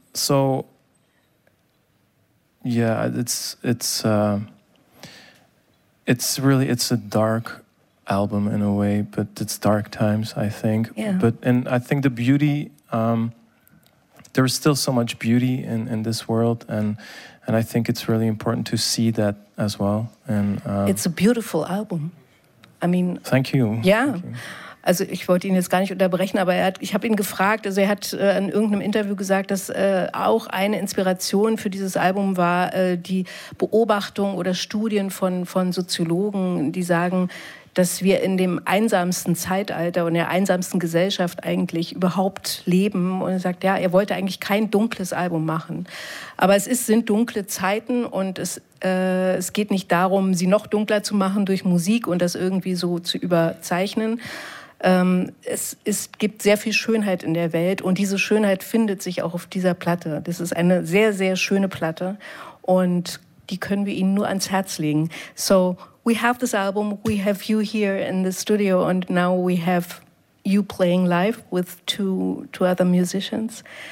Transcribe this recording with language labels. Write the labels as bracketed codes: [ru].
[en] So, yeah, it's a dark album in a way, but it's dark times, I think. Yeah. But, and I think the beauty, there is still so much beauty in this world, and I think it's really important to see that as well. And it's a beautiful album. I mean, thank you. Yeah. Thank you. [de] Also ich wollte ihn jetzt gar nicht unterbrechen, aber ich habe ihn gefragt, also er hat in irgendeinem Interview gesagt, dass auch eine Inspiration für dieses Album war die Beobachtung oder Studien von Soziologen, die sagen, dass wir in dem einsamsten Zeitalter und der einsamsten Gesellschaft eigentlich überhaupt leben. Und er sagt, ja, er wollte eigentlich kein dunkles Album machen. Aber es sind dunkle Zeiten, und es geht nicht darum, sie noch dunkler zu machen durch Musik und das irgendwie so zu überzeichnen. Es gibt sehr viel Schönheit in der Welt, und diese Schönheit findet sich auch auf dieser Platte. Das ist eine sehr, sehr schöne Platte, und die können wir Ihnen nur ans Herz legen. [en] So, we have this album, we have you here in the studio, and now we have you playing live with two other musicians.